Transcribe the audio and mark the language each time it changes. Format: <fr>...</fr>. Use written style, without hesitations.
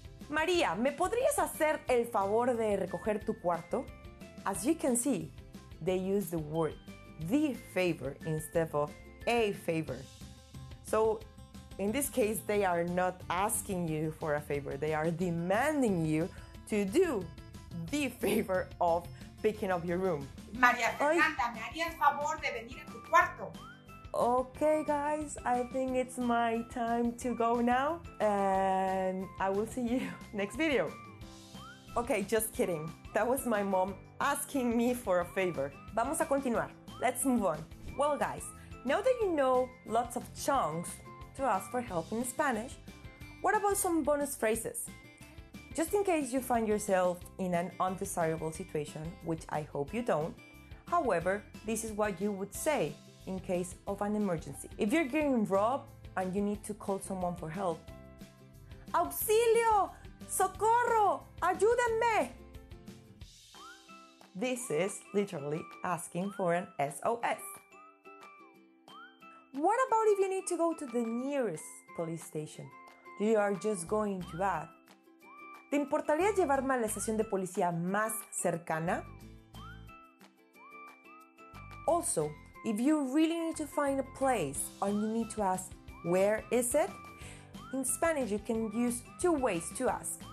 <es>María, ¿me podrías hacer el favor de recoger tu cuarto?</es> <en>As you can see, they use the word the favor instead of a favor. So, in this case, they are not asking you for a favor. They are demanding you to do the favor of picking up your room.</en> <es>María Fernanda, ¿me haría el favor de venir a tu cuarto?</es> <en>Okay, guys, I think it's my time to go now, and I will see you next video. Okay, just kidding. That was my mom asking me for a favor.</en> <es>Vamos a continuar.</es> <en>Let's move on. Well, guys, now that you know lots of chunks to ask for help in Spanish, what about some bonus phrases? Just in case you find yourself in an undesirable situation, which I hope you don't, however, this is what you would say in case of an emergency. If you're getting robbed and you need to call someone for help,</en> <es>¡Auxilio! ¡Socorro! ¡Ayúdenme!</es> <en>This is literally asking for an SOS. What about if you need to go to the nearest police station? You are just going to ask.</en> <es>¿Te importaría llevarme a la estación de policía más cercana?</es> <en>Also, if you really need to find a place or you need to ask, where is it? In Spanish, you can use two ways to ask.</en>